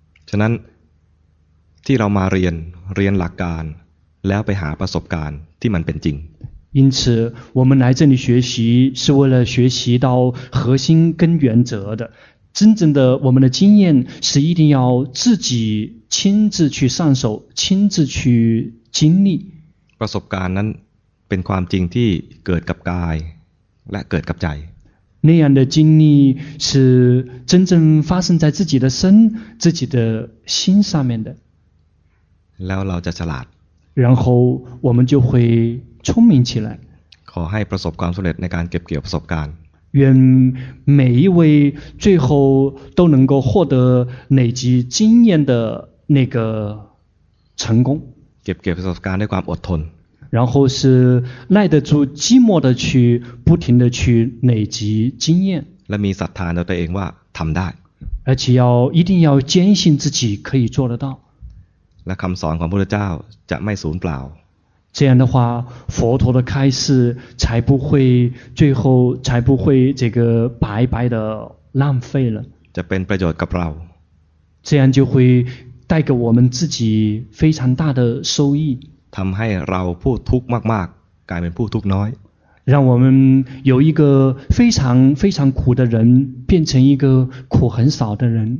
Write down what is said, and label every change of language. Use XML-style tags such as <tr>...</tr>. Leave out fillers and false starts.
<th>ฉะนั้นที่เรามาเรียนหลักการแล้วไปหาประสบการณ์ที่มันเป็นจริง</th> <zh>因此我们来这里学习是为了学习到核心跟原则的真正的我们的经验是一定要自己亲自去上手亲自去经历</zh> <th>ประสบการณ์นั้นเป็นความจริงที่เกิดกับกายและเกิดกับใจ</th> <zh>那样的经历是真正发生在自己的身自己的心上面的</zh> <th>แล้วเราจะฉลาด</th> <zh>然后我们就会聪明起来</zh> <th>ขอให้ประสบความสำเร็จในการเก็บเกี่ยวประสบการณ์</th> <zh>愿每一位最后都能够获得累积经验的那个成功</zh> <th>เก็บเกี่ยวประสบการณ์ด้วยความอดทน</th> <zh>然后是耐得住寂寞的去不停的去累积经验</zh> <th>และมีศรัทธาในตัวเองว่าทำได้</th> <zh>而且要一定要坚信自己可以做得到</zh> <th>และคำสอนของพระพุทธเจ้าจะไม่สูญเปล่า</th> <zh>这样的话佛陀的开示才不会最后才不会这个白白的浪费了</zh> <th>จะเป็นประโยชน์กับเรา</th> <zh>这样就会带给我们自己非常大的收益</zh> <th>ทำให้เราผู้ทุกข์มากๆกลายเป็นผู้ทุกข์น้อย</th> <zh>让我们有一个非常非常苦的人变成一个苦很少的人</zh>